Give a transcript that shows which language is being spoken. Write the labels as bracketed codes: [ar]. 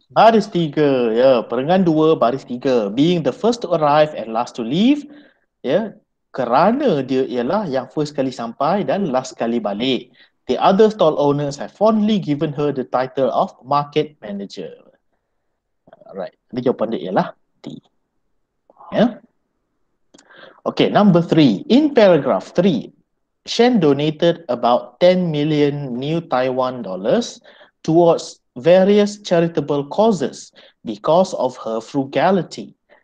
[ms] Baris tiga, ya. Yeah. Perenggan dua, baris tiga. [en] Being the first to arrive and last to leave, [ms] ya. Yeah. Kerana dia ialah yang first kali sampai dan last kali balik. [en] The other stall owners have fondly given her the title of market manager. Alright, [ms] jadi jawapan dia ialah D. [en] Yeah. Okay, number three. In paragraph three, Shen donated about 10 million New Taiwan dollars towards various charitable causes because of her frugality.